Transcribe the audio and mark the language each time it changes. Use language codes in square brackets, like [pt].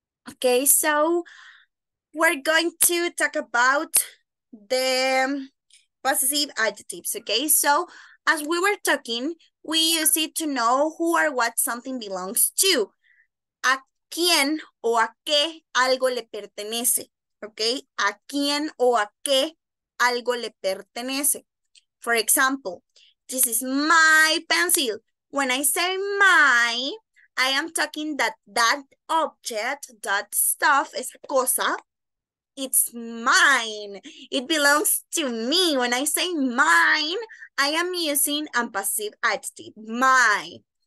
[en] Okay, so we're going to talk about the possessive adjectives, okay? So as we were talking, we use it to know who or what something belongs to. [es] A quien o a qué algo le pertenece, okay? A quien o a qué algo le pertenece. [en] For example, this is my pencil. When I say my, I am talking that object, that stuff, [es] esa cosa, [en] it's mine. It belongs to me. When I say mine, I am using a passive adjective, my.